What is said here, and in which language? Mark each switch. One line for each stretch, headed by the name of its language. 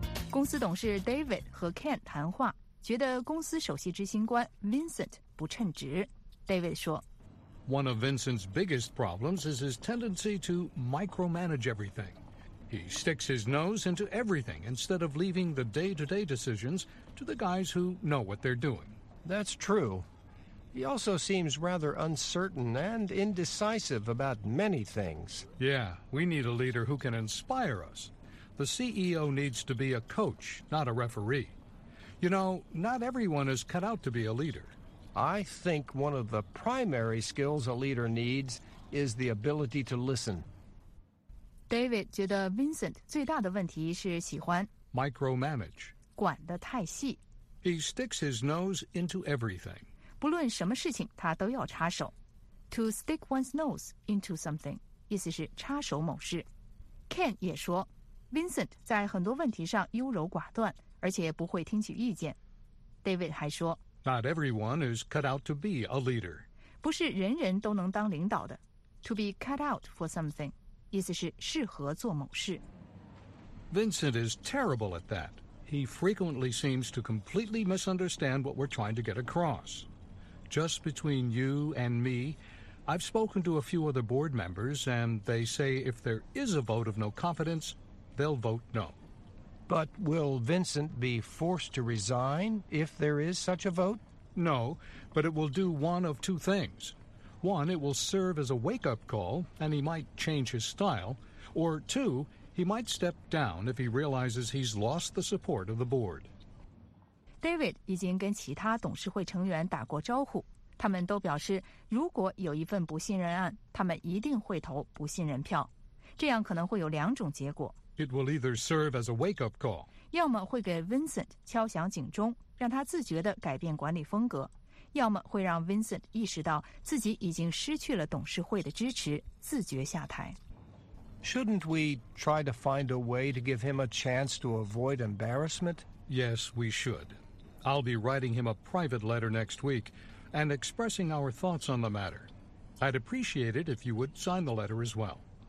Chinese: 公司董事 David 和 Ken 谈话，觉得公司首席执行官 Vincent 不称职。 David 说
English: ：“One of Vincent's biggest problems is his tendency to micromanage everything. He sticks his nose into everything instead of leaving the day-to-day decisions to the guys who know what they're doing. That's true.” He also seems rather uncertain and indecisive about many things. Yeah, we need a leader who can inspire us. The CEO needs to be a coach, not a referee. You know, not everyone is cut out to be a leader. I think one of the primary skills a leader needs is the ability to listen.
Chinese: David 觉得 Vincent 最大的问题是喜欢
English: micromanage.
Chinese: 管得太细。
English: He sticks his nose into everything.
Chinese: 不论什么事情他都要插手。
English: To stick one's nose into something,
Chinese: 意思是插手某事。 Ken 也说 ,Vincent 在很多问题上优柔寡断，而且不会听取意见。 David 还说
English: ,Not everyone is cut out to be a leader.
Chinese: 不是人人都能当领导的。
English: To be cut out for something,
Chinese: 意思是适合做某事。
English: Vincent is terrible at that. He frequently seems to completely misunderstand what we're trying to get across. Just between you and me, I've spoken to a few other board members, and they say if there is a vote of no confidence, they'll vote no. But will Vincent be forced to resign if there is such a vote? No, but it will do one of two things. One, it will serve as a wake-up call, and he might change his style. Or two, he might step down if he realizes he's lost the support of the board.
Chinese: David 已经跟其他董事会成员打过招呼，他们都表示，如果有一份不信任案，他们一定会投不信任票。这样可能会有两种结果
English: ：It will either serve as a wake-up call，
Chinese: 要么会给 Vincent 敲响警钟，让他自觉地改变管理风格；要么会让 Vincent 意识到自己已经失去了董事会的支持，自觉下台。
English: Shouldn't we try to find a way to give him a chance to avoid embarrassment？ Yes, we should. I'll be writing him a private letter next week and expressing our thoughts on the matter. I'd appreciate it if you would sign the letter as well.